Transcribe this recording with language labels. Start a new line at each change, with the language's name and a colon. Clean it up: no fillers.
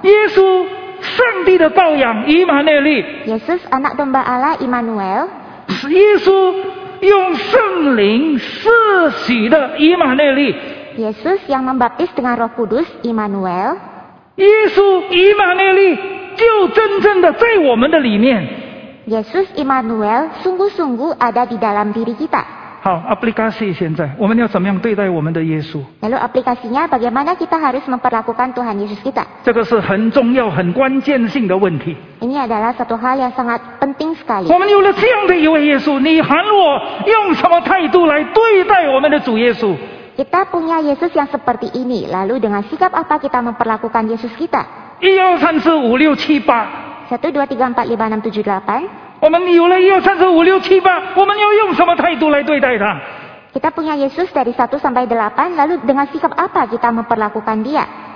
Chinese: Yesus上帝的羔羊, Immanuel,
Indonesian: Yesus anak domba Allah Immanuel,
Chinese: Yesus用圣灵赐喜的, Immanuel,
Indonesian: Yesus yang membaptis dengan Roh Kudus Immanuel,
Chinese: Yesus Immanuel, 就真正的在我们的里面,
Indonesian: Yesus Immanuel sungguh-sungguh ada di dalam diri kita.
Chinese: 好, aplikasi 现在, 我们要怎么样对待我们的耶稣?
Indonesian: Lalu aplikasinya bagaimana kita harus memperlakukan Tuhan Yesus kita?
Chinese: 这个是很重要, 很关键性的问题.
Indonesian: Ini adalah satu hal yang sangat penting sekali.
Chinese: 我们有了这样的一位耶稣, 你喊我用什么态度来对待我们的主耶稣?
Indonesian: Kita punya Yesus yang seperti ini, lalu dengan sikap apa kita memperlakukan Yesus kita? 1, 2, 3, 4, 5, 6, 7, 8. 1, 2, 3, 4, 5, 6, 7, 8.
Chinese: 我们有了1, 2, 3, 4, 5, 6, 7, 8, 我们要用什么态度来对待他?
Indonesian: Kita punya Yesus dari 1 sampai 8, lalu dengan sikap apa kita memperlakukan dia?